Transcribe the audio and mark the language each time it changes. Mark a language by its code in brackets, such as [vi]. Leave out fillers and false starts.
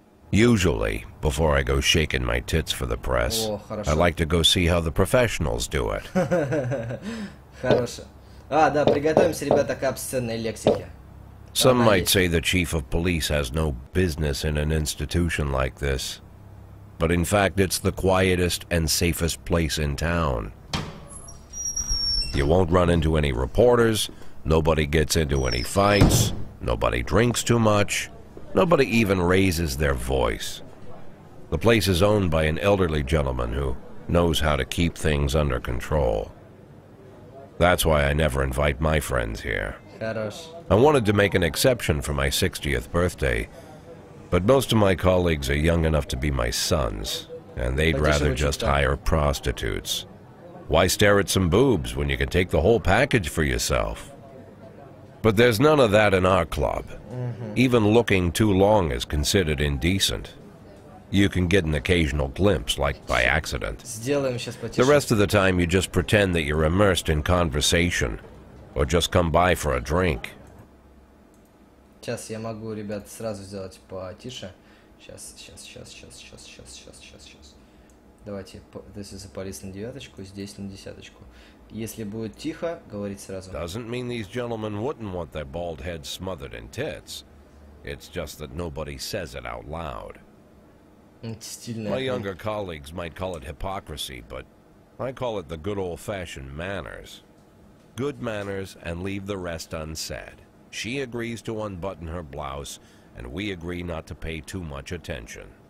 [en] Usually, before I go shaking my tits for the press, I like to go see how the professionals do it. [ru] Хорошо. А, да, приготовимся, ребята, к обсценной лексике. [en] Some might say the chief of police has no business in an institution like this. But in fact, it's the quietest and safest place in town. You won't run into any reporters, nobody gets into any fights, nobody drinks too much, nobody even raises their voice. The place is owned by an elderly gentleman who knows how to keep things under control. That's why I never invite my friends here. I wanted to make an exception for my 60th birthday, but most of my colleagues are young enough to be my sons, and they'd rather just hire prostitutes. Why stare at some boobs when you can take the whole package for yourself? But there's none of that in our club. Even looking too long is considered indecent. You can get an occasional glimpse, like by accident. The rest of the time, you just pretend that you're immersed in conversation, or just come by for a drink. [ru] Сейчас я могу, ребят, сразу сделать потише. Сейчас. Давайте, [en] this is a police [ru] на девяточку, здесь на десяточку. Если будет тихо, говорить сразу. [en] Doesn't mean these gentlemen wouldn't want their bald heads smothered in tits. It's just that nobody says it out loud. My younger colleagues might call it hypocrisy, but I call it the good old-fashioned manners. Good manners and leave the rest unsaid. She agrees to unbutton her blouse, and we agree not to pay too much attention.